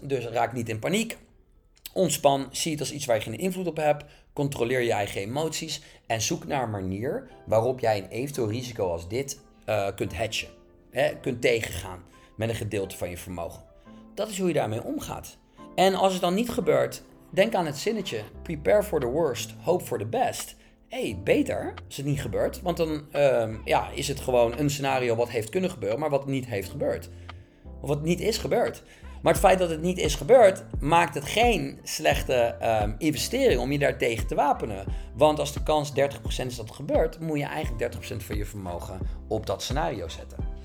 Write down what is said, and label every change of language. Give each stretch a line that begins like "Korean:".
Dutch: Dus raak niet in paniek. Ontspan, zie het als iets waar je geen invloed op hebt. Controleer je eigen emoties. En zoek naar een manier waarop jij een eventueel risico als dit kunt hedgen. Hè? Kunt tegengaan met een gedeelte van je vermogen. Dat is hoe je daarmee omgaat. En als het dan niet gebeurt, denk aan het zinnetje.
English: Prepare for the worst, hope for the best.
Dutch: Hey, beter als het niet gebeurt. Want dan is het gewoon een scenario wat heeft kunnen gebeuren, maar wat niet heeft gebeurd. Of wat niet is gebeurd. Maar het feit dat het niet is gebeurd, maakt het geen slechte investering om je daartegen te wapenen. Want als de kans 30% is dat het gebeurt, moet je eigenlijk 30% van je vermogen op dat scenario zetten.